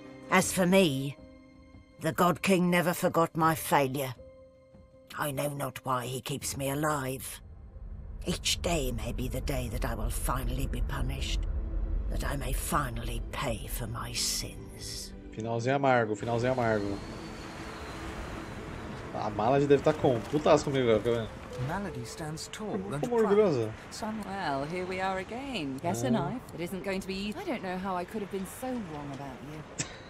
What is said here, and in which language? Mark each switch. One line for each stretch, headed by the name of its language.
English: As for me, the God King never forgot my failure. I know not why he keeps me alive. Each day may be the day that I will finally be punished, that I may finally pay for my sins.
Portuguese: Finalzinho amargo, finalzinho amargo. A Malady deve estar com putas comigo, quer ver?
English: Malady stands tall and proud. Well, here we are again. Guess a knife. It isn't going to be easy. I don't know how I could have been so wrong about you.